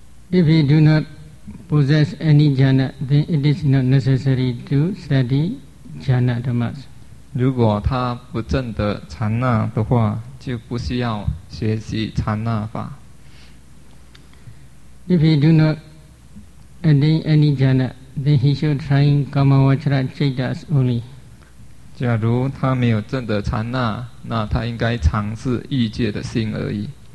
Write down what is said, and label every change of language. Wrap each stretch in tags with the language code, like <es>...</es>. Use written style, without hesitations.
<en>If he do not possess any jhana, then it is not necessary to study jhana dhammas.</en> <zh>如果他不证得禅那的话，就不需要学习禅那法。</zh> <en>If he do not attain any jhana, then he should try kamavacara chittas only.</en> <zh>假如他没有证得禅那，那他应该尝试欲界的心而已。</zh>